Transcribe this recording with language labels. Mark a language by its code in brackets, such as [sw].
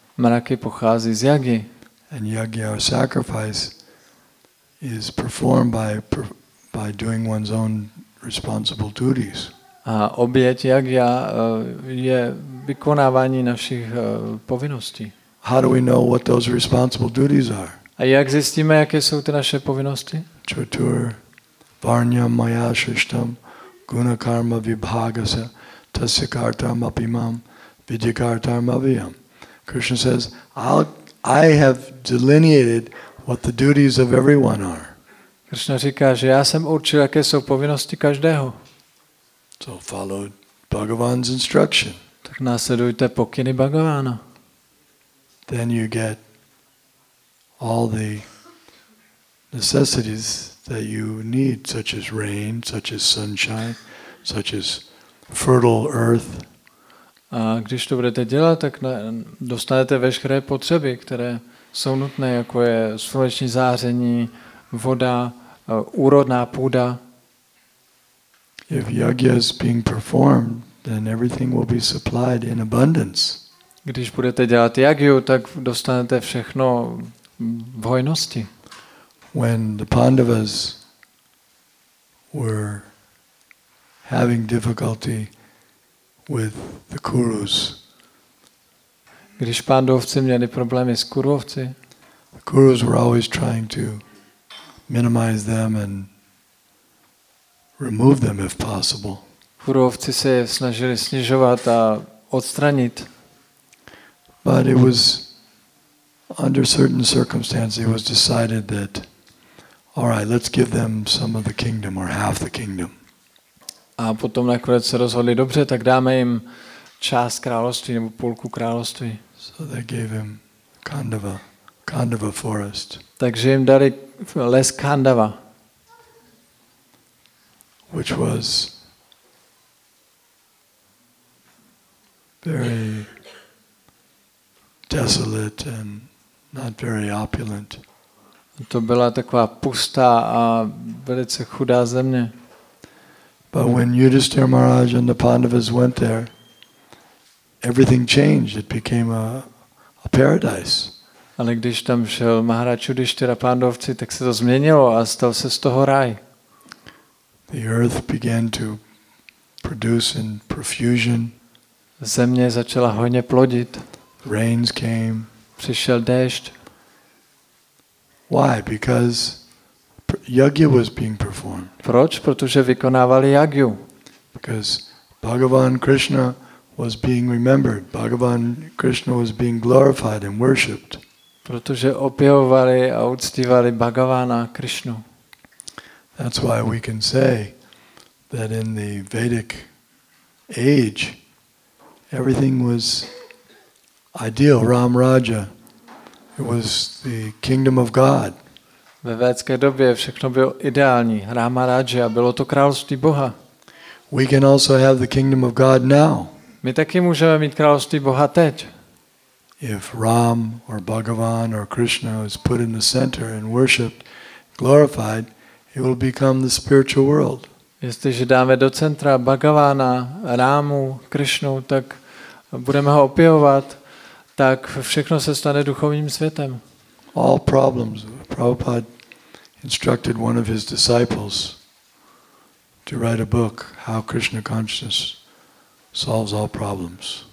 [cs] Mraky pochází z yagy. [en] And yagya or sacrifice is performed by doing one's own responsible duties. [cs] A oběť yagya je vykonávání našich povinností. [en] How do we know what those responsible duties are? [cs] A jak zjistíme, jaké jsou ty naše povinnosti? [sa] Chatur varnya maya shishtam guna karma vibhagasya tasya kartam apimam vidyakartam aviyam. [en] Krishna says, I have delineated what the duties of everyone are. [cs] Krishna říká, že já jsem určil, jaké jsou povinnosti každého. [en] So follow Bhagavan's instruction. [cs] Tak následujte pokyny Bhagavana. [en] Then you get all the necessities that you need, such as rain, such as sunshine, such as fertile earth. [cs] A když to budete dělat, tak dostanete veškeré potřeby, které jsou nutné, jako je sluneční záření, voda, úrodná půda. [en] If yagya is being performed, then everything will be supplied in abundance. [cs] Když budete dělat jagyu, tak dostanete všechno v hojnosti. [en] When the Pandavas were having difficulty with the Kurus, [cs] když Pandovci měli problémy s Kurovci, [en] the Kurus were always trying to minimize them and remove them if possible. [cs] Kurovci se je snažili snižovat a odstranit. [en] But it was under certain circumstances it was decided that all right, let's give them some of the kingdom or half the kingdom. [cs] A potom nakonec se rozhodli, dobře, tak dáme jim část království nebo půlku království. [en] So they gave him Kandava, Kandava forest. [cs] Takže jim dali les Kandava. [en] Which was very desolate and not very opulent. [cs] To byla taková pustá a velice chudá země. [en] But when Yudhishthira Maharaj and the Pandavas went there, everything changed. It became a paradise. [cs] Ale když tam šel Maharaj Yudhishthira a Pandavci, tak se to změnilo a stal se z toho ráj. [en] The earth began to produce in profusion. [cs] Země začala hojně plodit. [en] Rains came. [cs] Přišel déšť. [en] Why? Because yagya was being performed. [cs] Proč? Protože vykonávali jagyu. [en] Because Bhagavan Krishna was being remembered. Bhagavan Krishna was being glorified and worshipped. [cs] Protože opěvovali a uctívali Bhagavana Krishnu. [en] That's why we can say that in the Vedic age everything was ideal. Ram Raja, it was the kingdom of God. [cs] Ve védské době všechno bylo ideální. Rama Raja, bylo to království Boha. [en] We can also have the kingdom of God now. [cs] My taky můžeme mít království Boha teď. [en] If Ram or Bhagavan or Krishna is put in the center and worshipped, glorified, it will become the spiritual world. [cs] Jestliže dáme do centra Bhagavana, Rámu, Krishnu, tak budeme ho opěvovat, tak všechno se stane duchovním světem. [en] All problems. Prabhupada instructed one of his disciples to write a book, How Krishna Consciousness Solves All Problems.